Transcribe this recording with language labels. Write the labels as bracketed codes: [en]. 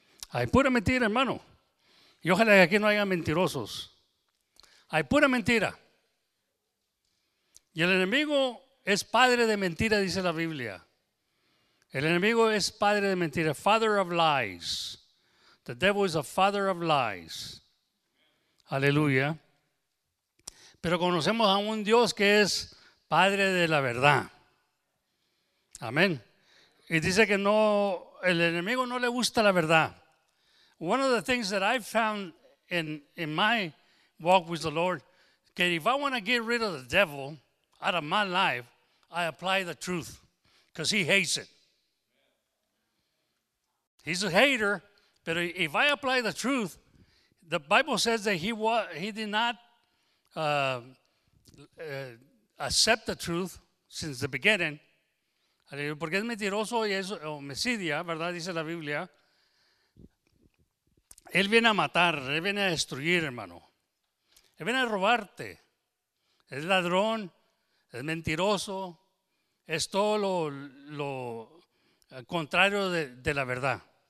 [es] Hay pura mentira, hermano. Y ojalá que aquí no haya mentirosos. Hay pura mentira. Y el enemigo es padre de mentira, dice la Biblia. El enemigo es padre de mentira. [en] Father of lies. The devil is a father of lies. [es] Aleluya. Pero conocemos a un Dios que es padre de la verdad. Amén. Y dice que no, el enemigo no le gusta la verdad. [en] One of the things that I found in my walk with the Lord, that if I want to get rid of the devil out of my life, I apply the truth, because he hates it. He's a hater, but if I apply the truth, the Bible says that he did not accept the truth since the beginning. [es] Porque es mentiroso y es homicidia, ¿verdad? Dice la Biblia. Él viene a matar, él viene a destruir, hermano. Él viene a robarte. Es ladrón, es mentiroso, es todo lo contrario de la verdad.